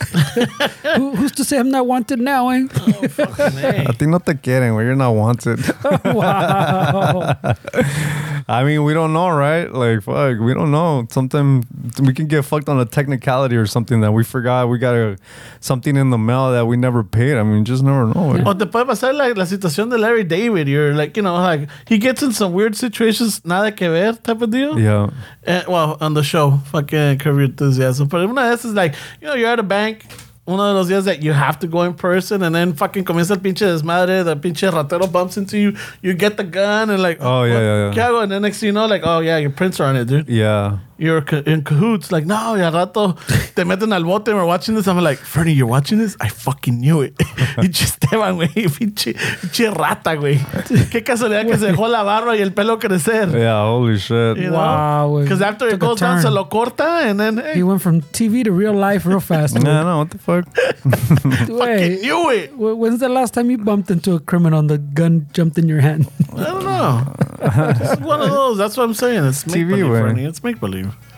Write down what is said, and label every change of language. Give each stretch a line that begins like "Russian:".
English: Who's to say I'm not wanted now, eh? Oh, fucking
Spanish: A. A ti no te quieren,
English: where you're not wanted. Wow. I mean, we don't know, right? Like, fuck, we don't know. Sometimes we can get fucked on a technicality or something that we forgot we got something in the mail that we never paid. I mean, just never know.
Spanish: O te puede pasar like la situación de Larry David.
English: You're like, you know, like he gets in some weird situations,
Spanish: nada que ver
English: type of deal. Yeah. And, well, on the show, fucking Curvy Enthusiasm. But one of this is like, you know, you're at a bank. One of those days that you have to go in person, and then fucking
Spanish: comienza el pinche desmadre,
English: the
Spanish: pinche ratero
English: bumps into you, you get the gun, and like, oh, yeah, yeah, yeah.
Spanish: ¿Qué hago?
English: And then next thing you know, like, oh, yeah, your prints are on it, dude. Yeah. You're in cahoots, like,
Spanish: no, ya rato, te meten al bote,
English: and we're watching this. I'm like, Fernie, you're watching this? I fucking knew it.
Spanish: Y Esteban, güey, pinche rata, güey. Qué casualidad que se dejó la barba y el pelo crecer.
English: Yeah, holy shit. You wow, because after it goes down,
Spanish: se lo corta,
English: and then, hey. He went from TV to real life real fast. No, no, what the fuck? Fucking knew it. When's the last time you bumped into a criminal and the gun jumped in your hand? I don't know. It's one of those. That's what I'm saying. It's TV, make-believe, way. Fernie. It's make-believe.